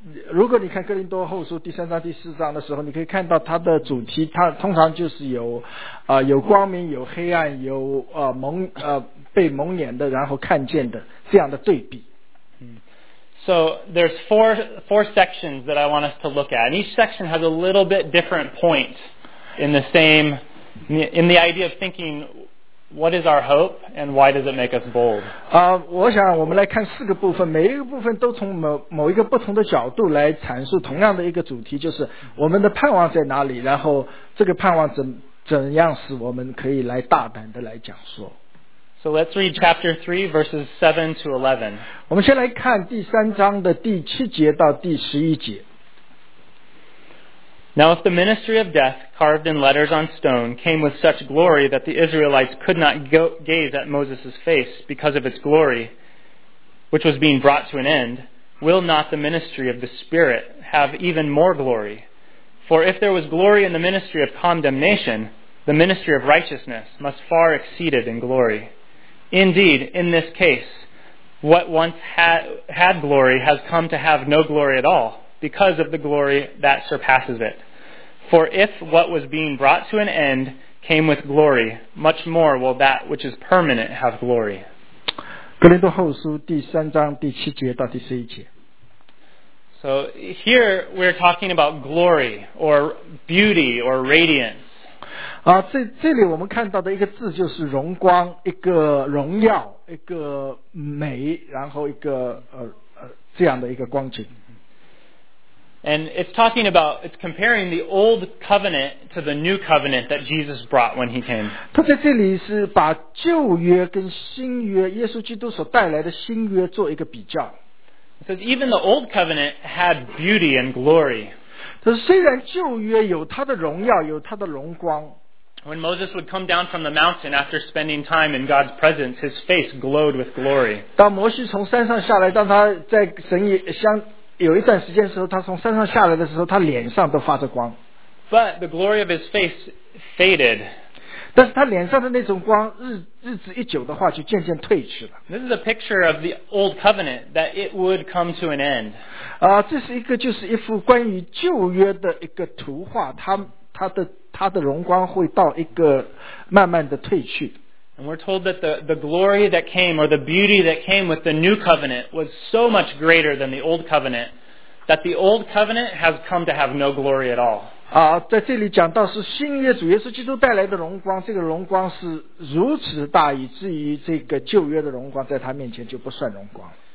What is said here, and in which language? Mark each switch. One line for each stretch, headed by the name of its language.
Chinese: 如果你看哥林多后书第三章第四章的时候，你可以看到它的主题，它通常就是有光明，有黑暗，有被蒙眼的，然后看见的这样的对比。
English: So there's four sections that I want us to look at, and each section has a little bit different point in the idea of thinking, what is our hope and why does it make us bold?
Chinese: 我想我们来看四个部分，每一个部分都从某一个不同的角度来阐述同样的一个主题，就是我们的盼望在哪里，然后这个盼望怎样使我们可以来大胆的来讲说。
English: So let's read chapter 3, verses 7 to 11.
Chinese: 我们先来看第三章的第七节到第十一节。
English: Now if the ministry of death, carved in letters on stone, came with such glory that the Israelites could not gaze at Moses' face because of its glory, which was being brought to an end, will not the ministry of the Spirit have even more glory? For if there was glory in the ministry of condemnation, the ministry of righteousness must far exceed it in glory. Indeed, in this case, what once had glory has come to have no glory at all because of the glory that surpasses it. For if what was being brought to an end came with glory, much more will that which is permanent have glory.
Chinese: 哥林多后书第三章第七节到第十一节。
English: So here we're talking about glory or beauty or radiance.
Chinese: 这里我们看到的一个字就是荣光，一个荣耀，一个美，然后一个这样的一个光景。
English: And it's comparing the old covenant to the new covenant that Jesus brought when he came.
Chinese: 他在这里是把旧约跟新约，耶稣基督所带来的新约做一个比较。
English: It says even the old covenant had beauty and glory.
Chinese: 他说虽然旧约有它的荣耀，有它的荣光。
English: When Moses would come down from the mountain after spending time in God's presence, his face glowed with glory.
Chinese: 当摩西从山上下来，当他在神有一段时间的时候，他从山上下来的时候，他脸上都发着光。
English: But the glory of his face faded.
Chinese: 但是他脸上的那种光日子一久的话就渐渐褪去了。
English: This is a picture of the old covenant that it would come to an end.
Chinese: 这是一个就是一幅关于旧约的一个图画，他的荣光会到一个慢慢的褪去。
English: And we're told that the glory that came or the beauty that came with the new covenant was so much greater than the old covenant that the old covenant has come to have no glory at all.
Chinese: 在这里讲到是新约主耶稣基督带来的荣光，这个荣光是如此大，以至于这个旧约的荣光在他面前就不算荣光。